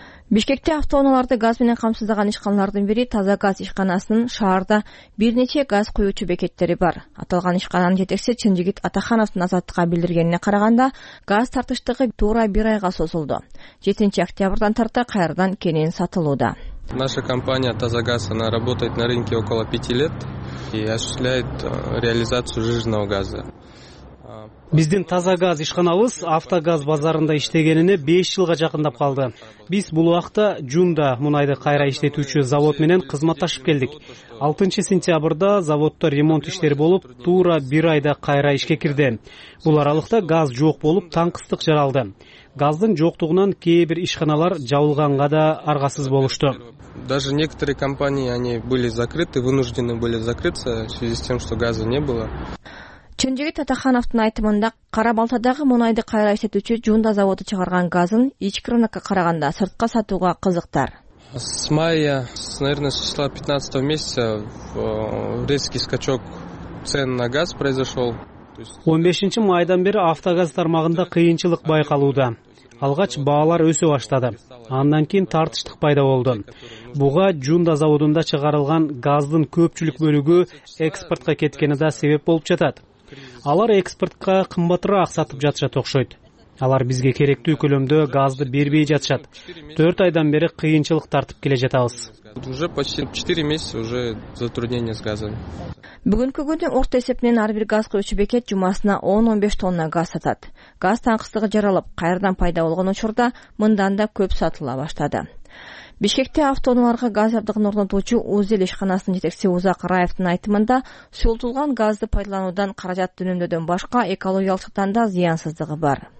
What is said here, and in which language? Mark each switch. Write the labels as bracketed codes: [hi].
[ky] Бишкекте автоунааларды газ менен камсыздаган ишканалардын бири Таза Газ ишканасынын шаарда бир нече газ куюучу бекеттери бар. Аталган ишкананын жетекчиси Чынжигит Атахановдун Азаттыкка билдиргенине караганда, газ тартыштыгы туура бир айга созулду. 7 октябрдан тарта кайрадан кенен сатылууда. [ru] Наша компания «Тазагаз», она работает на рынке около 5 лет и осуществляет реализацию жиженного газа. [ky] Биздин таза газ ишканабыз автогаз базарында иштегенине 5 жылга жакындап калды. Биз бул убакта Жунда мунайды кайра иштетүүчү завод менен кызматташып келдик. 6 сентябрда заводдо ремонт иштери болуп, туура 1 айда кайра ишке кирди. Бул аралыкта газ жок болуп, таң кыстык жаралды. Газдын жоктугунан кээ бир ишканалар жабылганга да аргасыз болушту. [ru] Даже некоторые компании они были закрыты, вынуждены были закрыться в связи с тем, что газа не было. [ky] Чөнжөгүт Атахановдун айтымында, кара балтадагы мунайды кайра иштетүүчү Жунда заводу чыгарган газын ички рынокко караганда сыртка сатууга кызыктар. [ru] С мая, наверное, с числа 15 месяца резкий скачок цен на газ произошел. [ky] 15 майдан бери автогаз тармагында кыйынчылык байкалууда. Алгач баалар өсө баштады. Андан кийин тартыштык пайда болду. Буга Жунда заводунда чыгарылган газдын көпчүлүк бөлүгү экспортко кеткени да себеп болуп жатат. Алар экспортка кымбатыраак сатып жатышат окшойт. Алар бизге керектүү көлөмдө газды бербей жатышат. 4 айдан бери кыйынчылык тартып келе жатабыз. [ru] Уже почти 4 месяца уже затруднение с газом. [ky] Бүгүнкү күндүн орто эсеп менен ар бир газ коюучу бекет жумасына 10-15 тонна газ сатат. Газ таңкыстыгы жаралып, кайрадан пайда болгон учурда мындан да көп сатыла баштады. Бишкекте автоунааларга газ жабдыгын орнотуучу УЗЭЛ ишканасынын жетекчиси Узак Раевдин айтымында, суултулган газды пайдалануудан каражат үнөмдөөдөн башка экологиялык жактан да зыянсыздыгы бар.